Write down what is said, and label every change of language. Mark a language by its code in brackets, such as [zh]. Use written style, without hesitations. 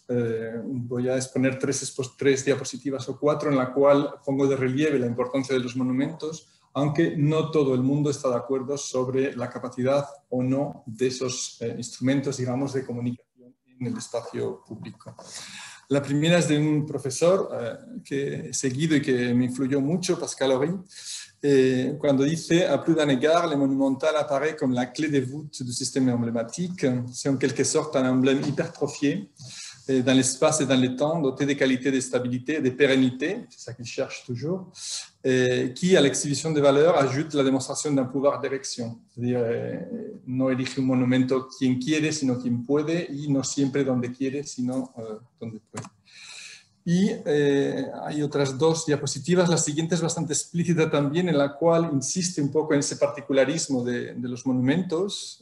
[es] Voy a exponer tres diapositivas o cuatro en la cual pongo de relieve la importancia de los monumentos, aunque no todo el mundo está de acuerdo sobre la capacidad o no de esos instrumentos, digamos, de comunicación en el espacio público. La primera es de un profesor que he seguido y que me influyó mucho, Pascal Aubry, cuando dice: [fr] «A plus d'un égard, le monumental apparaît comme la clé de voûte du système emblématique, c'est en quelque sorte un emblème hypertrophié, dans l'espace et dans le temps, doté de qualités de stabilité et de pérennité, c'est ça qu'il cherche toujours, qui, à l'exhibition de valeurs, ajoute la démonstration d'un pouvoir d'érection. C'est-à-dire, [es] no elige un monumento quien quiere, sino quien puede, y no siempre donde quiere, sino donde puede». Y hay otras dos diapositivas. La siguiente es bastante explícita también, en la cual insiste un poco en ese particularismo de los monumentos.